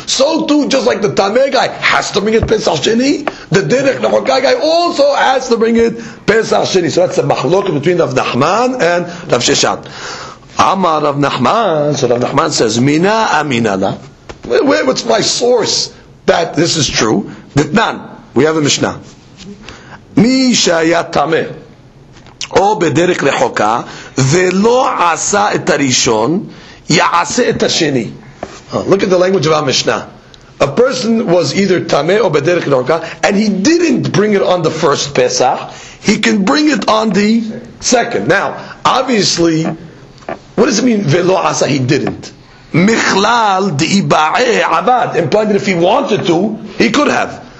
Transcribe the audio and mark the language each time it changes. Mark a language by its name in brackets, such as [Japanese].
[English] So too, just like the Tameh guy has to bring it Pesach Sheni, the Derech Lechoka guy also has to bring it Pesach Sheni. So that's the machlok between Rav Nachman and Rav Sheshat. Amar Rav Nachman, so Rav Nachman says, Mina Aminala. Where was my source that this is true? Ditnan, we have a Mishnah. Mi Shaya Tameh. [Hebrew] או בדרך לחוקה, ולא עשה את הראשון, יעשה את השני. [English] Look at the language of המשנה. A person was either tameh or בדרך לחוקה, and he didn't bring it on the first Pesach, he can bring it on the second. Now, obviously, what does it mean, ולא עשה, he didn't? [Hebrew] מכלל דאיבעי עבד, [English] implying that if he wanted to, he could have.